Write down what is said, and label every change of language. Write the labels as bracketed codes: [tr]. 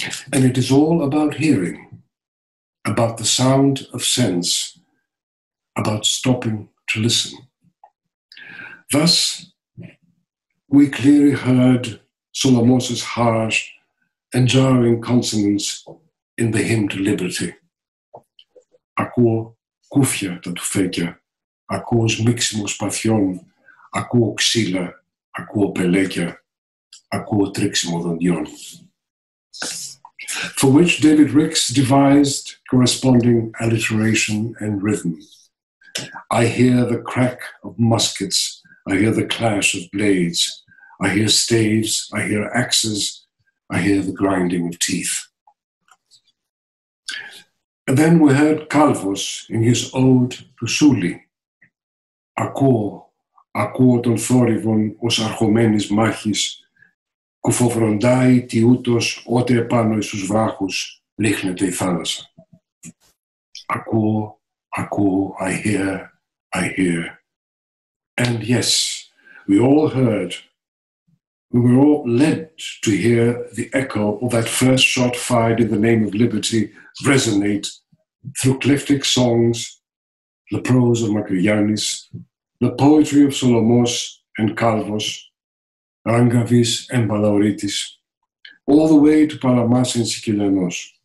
[en] And it is all about hearing, about the sound of sense, about stopping to listen. Thus, we clearly heard Solomos's harsh and jarring consonants in the hymn to liberty. [el] Ακούω κούφια τα τουφέκια, ακούω σμίξιμο σπαθιών, ακούω ξύλα, ακούω πελέκια, ακούω τρίξιμο δοντιών. [en] for which David Ricks devised corresponding alliteration and rhythm. I hear the crack of muskets, I hear the clash of blades, I hear staves, I hear axes, I hear the grinding of teeth. And then we heard Calvus in his ode to Sully. [el] Ακούω, ακούω τον θόρυβον ως αρχωμένης μάχης, κουφοβροντάει τι ούτως ότε επάνω εις τους βράχους ρίχνεται η θάλασσα. Ακούω, ακούω, [en] I hear, I hear. And yes, we all heard, we were all led to hear the echo of that first shot fired in the name of liberty resonate through Cliftic songs, the prose of Makrianis, the poetry of Solomos and Calvos, Rangavis and Palauritis, all the way to Palamas and Sikilenos.